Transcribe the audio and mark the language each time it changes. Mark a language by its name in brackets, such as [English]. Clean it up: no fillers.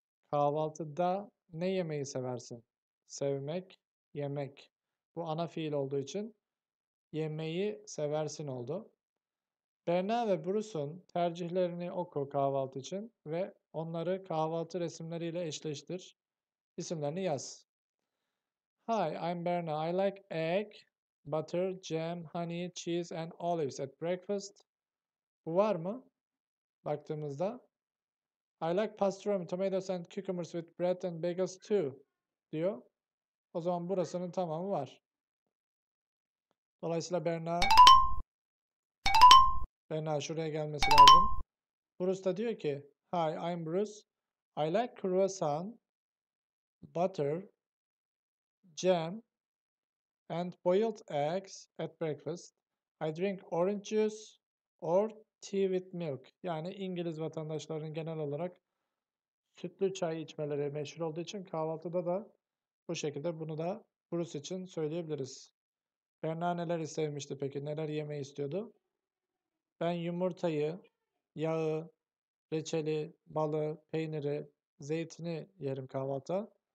[Turkish] Kahvaltıda ne yemeyi seversin? Sevmek, yemek. Bu ana fiil olduğu için yemeği seversin oldu. Berna ve Bruce'un tercihlerini oku kahvaltı için ve onları kahvaltı resimleriyle eşleştir. İsimlerini yaz. [English] Hi, I'm Berna. I like egg, butter, jam, honey, cheese and olives at breakfast. [Turkish] Bu var mı? Baktığımızda. [English] I like pastrami, tomatoes and cucumbers with bread and bagels too diyor. [Turkish] O zaman burasının tamamı var. Dolayısıyla Berna şuraya gelmesi lazım. Bruce da diyor ki, [English] Hi, I'm Bruce. I like croissant, butter, jam, and boiled eggs at breakfast. I drink orange juice or tea with milk. [Turkish] Yani İngiliz vatandaşların genel olarak sütlü çay içmeleri meşhur olduğu için kahvaltıda da bu şekilde bunu da Bruce için söyleyebiliriz. Berna neler sevmişti peki? Neler yemeyi istiyordu? Ben yumurtayı, yağı, reçeli, balı, peyniri, zeytini yerim kahvaltıda.